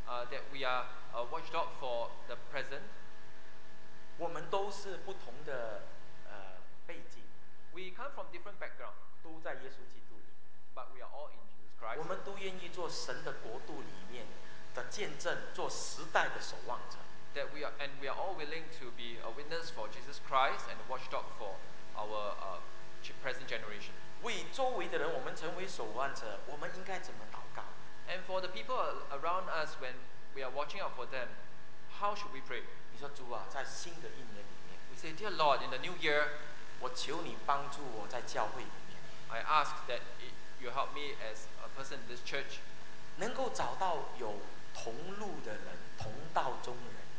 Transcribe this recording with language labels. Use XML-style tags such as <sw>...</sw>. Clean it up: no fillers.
<en>That we are a watchdog for the present.</en> <zh>我们都是不同的背景。</zh> <en>We come from different backgrounds.</en> <zh>都在耶稣基督里。</zh> <en>But we are all in Jesus Christ.</en> <zh>我们都愿意做神的国度里面的见证，做时代的守望者。</zh> <en>That we are, and we are all willing to be a witness for Jesus Christ and a watchdog for our present generation.</en> <zh>为周围的人，我们成为守望者，我们应该怎么祷告？</zh> <en>And for the people around us, when we are watching out for them. How should we pray?</en> <zh>你说主啊，在新的一年里面。</zh> <en>We say, dear Lord, in the new year,</en> <zh>我求你帮助我在教会里面。</zh> <en>I ask that you help me as a person in this church.</en> <zh>能够找到有同路的人，同道中人。</zh>